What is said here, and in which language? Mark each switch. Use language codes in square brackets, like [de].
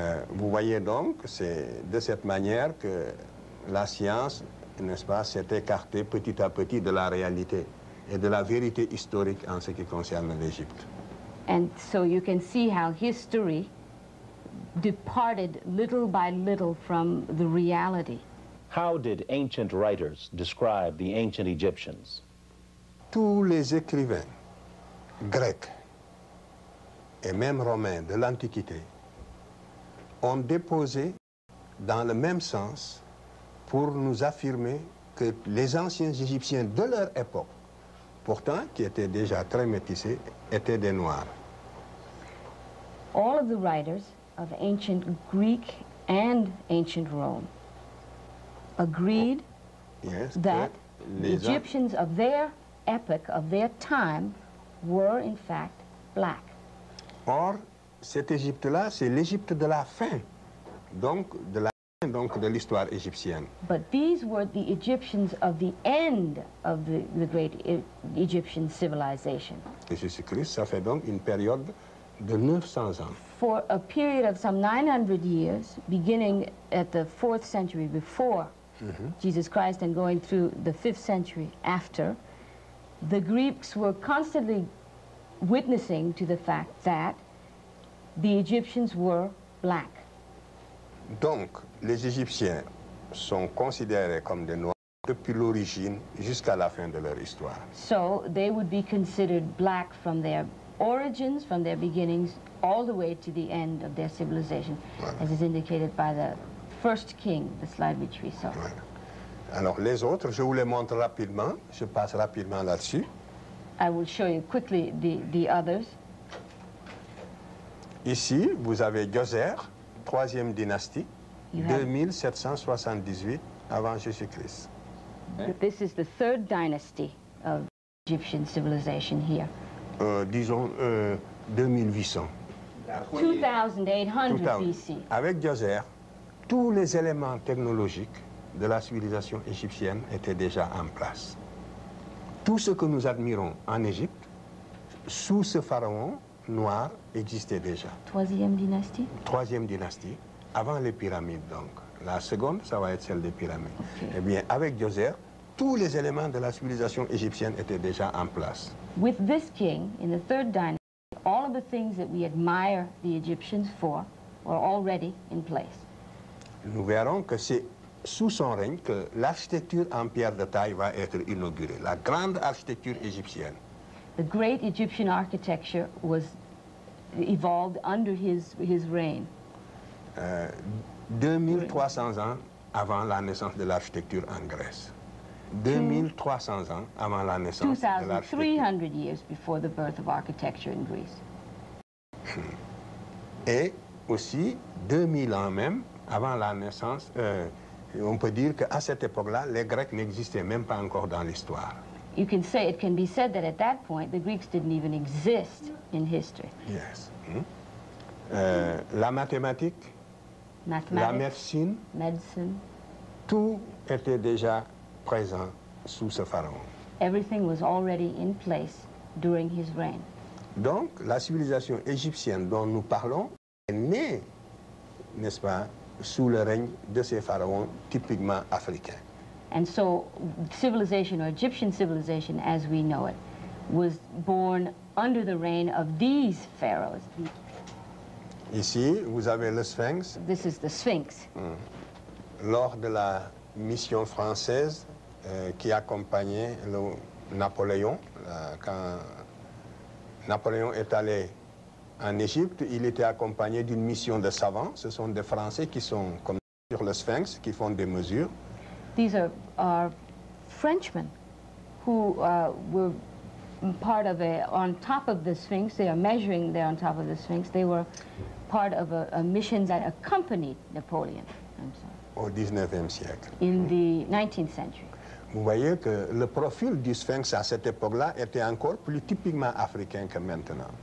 [fr] Vous voyez donc, c'est de cette manière que la science, n'est-ce pas, s'est écartée petit à petit de la réalité et de la vérité historique en ce qui concerne l'Égypte. [en] And so you can see how history departed little by little from the reality. How did ancient writers describe the ancient Egyptians? [fr] Tous les écrivains grecs et même romains de l'Antiquité ont déposé dans le même sens pour nous affirmer que les anciens Égyptiens de leur époque, pourtant qui étaient déjà très métissés, étaient des Noirs. [en] All of the writers of ancient Greek and ancient Rome agreed that the Egyptians of their epoch, of their time, were in fact black. [fr] Or, cette Égypte-là, c'est l'Égypte de la fin, donc de l'histoire égyptienne. [en] But these were the Egyptians of the end of the great Egyptian civilization. [fr] Jésus-Christ, ça fait donc une période de 900 ans. [en] For a period of some 900 years, beginning at the 4th century before Jesus Christ and going through the 5th century after, the Greeks were constantly witnessing to the fact that the Egyptians were black. [fr] Donc, les Égyptiens sont considérés comme des Noirs depuis l'origine jusqu'à la fin de leur histoire. [en] So, they would be considered black from their origins, from their beginnings, all the way to the end of their civilization, voilà, as is indicated by the first king, the slide which we saw. [fr] Voilà. Alors, les autres, je vous les montre rapidement. Je passe rapidement là-dessus. I will show you quickly the others. Ici, vous avez Djoser, troisième dynastie, 2778 avant Jésus-Christ. [en] This is the third dynasty of Egyptian civilization here. [fr] Disons 2800. [en] 2800 BC. [fr] Avec Djoser, tous les éléments technologiques de la civilisation égyptienne étaient déjà en place. Tout ce que nous admirons en Égypte, sous ce pharaon noir, existait déjà. Troisième dynastie, avant les pyramides donc. La seconde, ça va être celle des pyramides. [en] Okay. [fr] Eh bien, avec Djoser, tous les éléments de la civilisation égyptienne étaient déjà en place. [en] With this king, in the third dynasty, all of the things that we admire the Egyptians for were already in place. [fr] Nous verrons que c'est sous son règne que l'architecture en pierre de taille va être inaugurée, la grande architecture égyptienne. [en] The great Egyptian architecture was evolved under his reign. [fr] 2300 ans avant la naissance de l'architecture en Grèce. 2300 ans avant la naissance de l'architecture. [en] 2,300 years before the birth of architecture in Greece. [fr] Et aussi 2000 ans même avant la naissance, on peut dire qu'à cette époque-là, les Grecs n'existaient même pas encore dans l'histoire. [en] You can say, it can be said that at that point, the Greeks didn't even exist in history. Yes. [fr] La mathématique, la médecine, tout était déjà présent sous ce pharaon. [en] Everything was already in place during his reign. [fr] Donc, la civilisation égyptienne dont nous parlons est née, n'est-ce pas, sous le règne de ces pharaons typiquement africains. [en] And so, civilization, or Egyptian civilization as we know it, was born under the reign of these pharaohs. [fr] Ici, vous avez le Sphinx. [en] This is the Sphinx. [fr] Lors de la mission française qui accompagnait le Napoléon, quand Napoléon est allé en Égypte, il était accompagné d'une mission de savants. Ce sont des Français qui sont comme sur le Sphinx, qui font des mesures. [en] These are Frenchmen who were part of a, on top of the Sphinx, they are measuring there on top of the Sphinx, they were part of a mission that accompanied Napoleon. [fr] Au 19e siècle. [en] In the 19th century. [fr] Vous voyez que le profil du Sphinx à cette époque-là était encore plus typiquement africain que maintenant.